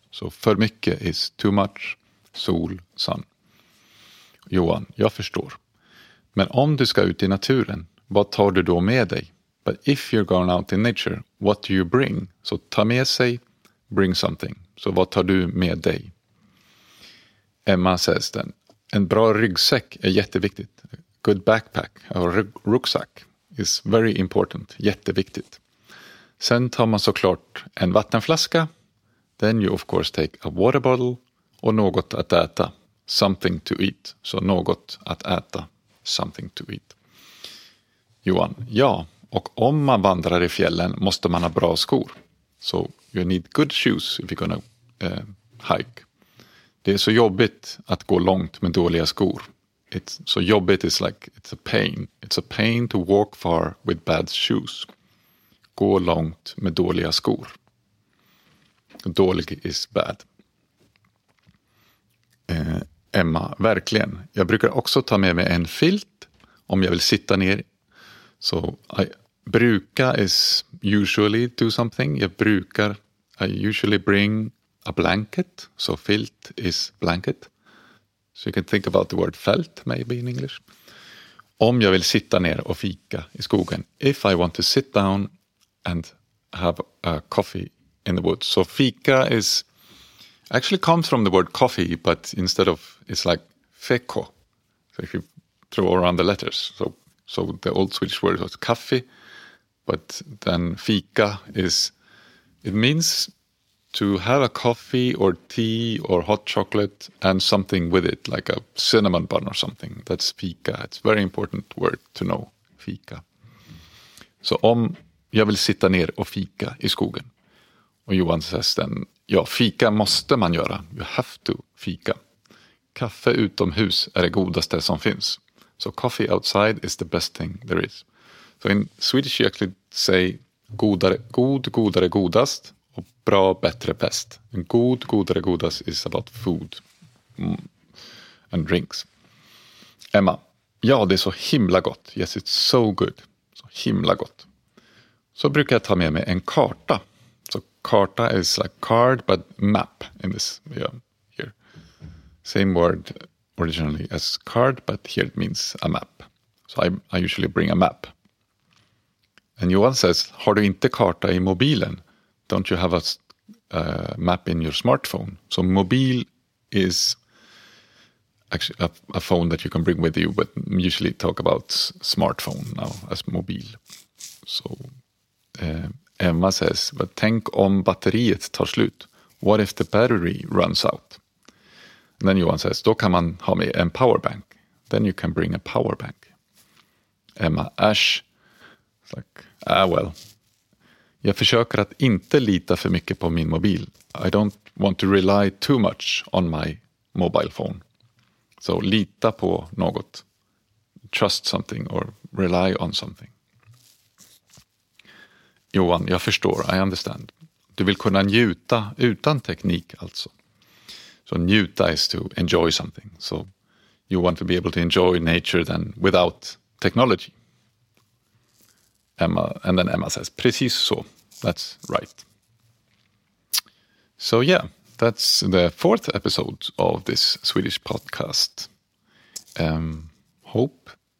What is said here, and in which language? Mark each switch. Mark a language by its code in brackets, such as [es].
[sv] Så för mycket [en] is too much, sol, sun. [sv] Johan, jag förstår. Men om du ska ut i naturen, vad tar du då med dig? [en] But if you're going out in nature, what do you bring? [sv] Så ta med sig, [en] bring something. [sv] Så vad tar du med dig? [en] Emma says then, [sv] en bra ryggsäck är jätteviktigt. [en] Good backpack, or rucksack, is very important, jätteviktigt. [sv] Sen tar man såklart en vattenflaska. [en] Then you of course take a water bottle [sv] och något att äta. [en] Something to eat. [sv] Så något att äta. [en] Something to eat. Johan, ja. [sv] Och om man vandrar i fjällen måste man ha bra skor. [en] So you need good shoes if you're gonna hike. [sv] Det är så jobbigt att gå långt med dåliga skor. [en] So jobbigt is like, it's a pain. It's a pain to walk far with bad shoes. [sv] Gå långt med dåliga skor. Dålig [en] is bad. [sv] Emma, verkligen. Jag brukar också ta med mig en filt om jag vill sitta ner. [en] So I bruka is usually do something. I usually bring a blanket. So filt is blanket. So you can think about the word felt maybe in English. Om jag vill sitta ner och fika i skogen. If I want to sit down and have a coffee in the woods. So fika is actually comes from the word coffee, but instead of, it's like feko. So if you throw around the letters. So the old Swedish word was kaffe, but then fika is, it means to have a coffee or tea or hot chocolate and something with it, like a cinnamon bun or something. That's fika. It's a very important word to know, fika. [sv] So om jag vill sitta ner och fika i skogen. Och Johan says then, ja, fika måste man göra. [en] You have to fika. [sv] Kaffe utomhus är det godaste som finns. [en] So coffee outside is the best thing there is. So in Swedish you actually say godare godast och bra, bättre, bäst. En god, godare godast is about food and drinks. [sv] Emma, ja, det är så himla gott. [en] Yes, it's so good. [sv] Så himla gott. Så brukar jag ta med mig en karta. [en] Karta is like card, but map in this, yeah, here. Same word originally as card, but here it means a map. So I usually bring a map. And Johan says, [sv] har du inte karta i mobilen? [en] Don't you have a map in your smartphone? So mobil is actually a phone that you can bring with you, but usually talk about smartphone now as mobil. So Emma says, but [sv] tänk om batteriet tar slut. [en] What if the battery runs out? And then Johan says, [sv] då kan man ha med en powerbank. [en] Then you can bring a powerbank. Emma, ash. It's like, ah well. [sv] Jag försöker att inte lita för mycket på min mobil. [en] I don't want to rely too much on my mobile phone. So [sv] lita på något. [en] Trust something or rely on something. Johan, [sv] jag förstår. [en] I understand. [sv] Du vill kunna njuta utan teknik alltså. [en] Så njuta is to enjoy something. So you want to be able to enjoy nature then without technology. Emma, and then Emma says, [sv] precis så. [en] That's right. So yeah, that's the fourth episode of this Swedish podcast. Hope